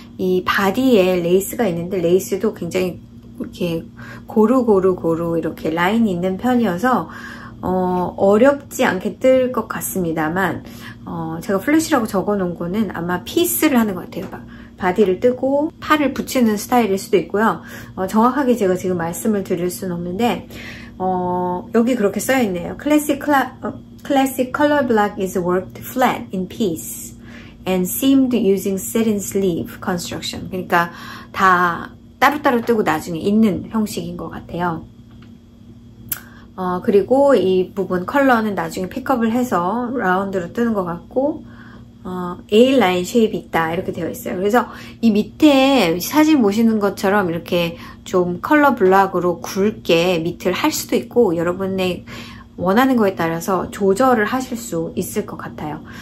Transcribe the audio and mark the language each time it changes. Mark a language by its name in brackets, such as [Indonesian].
[Korean] 이 바디에 레이스가 있는데, 레이스도 굉장히 이렇게 고루고루고루 이렇게 라인 있는 편이어서, 어렵지 않게 뜰것 같습니다만, 제가 플랫이라고 적어놓은 거는 아마 피스를 하는 것 같아요. 막 바디를 뜨고 팔을 붙이는 스타일일 수도 있고요. 정확하게 제가 지금 말씀을 드릴 수는 없는데, 여기 그렇게 써 있네요. [English] Classic color black is worked flat in piece and seamed using satin sleeve construction. [Korean] 그러니까 다 따로따로 뜨고 나중에 있는 형식인 것 같아요. 그리고 이 부분 컬러는 나중에 픽업을 해서 라운드로 뜨는 것 같고, A 라인 쉐입이 있다 이렇게 되어 있어요. 그래서 이 밑에 사진 보시는 것처럼 이렇게 좀 컬러 블락으로 굵게 밑을 할 수도 있고, 여러분의 원하는 거에 따라서 조절을 하실 수 있을 것 같아요.